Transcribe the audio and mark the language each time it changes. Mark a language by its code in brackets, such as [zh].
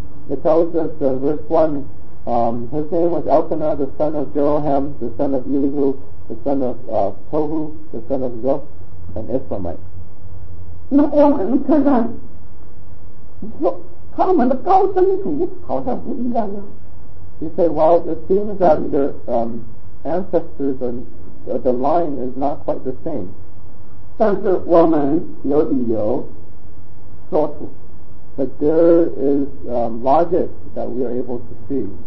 [en] It tells us in verse 1, his name was Elkanah, the son of Jeroham, the son of Elihu, the son of Tohu, the son of Zoph, an Ephraimite. [zh] 那我们看看，说他们的高曾祖好像不一样啊。 [en] He said, well, it seems that their ancestors and the line is not quite the same. [zh] 但是我们有理由说出。 [en] but there is logic that we are able to see.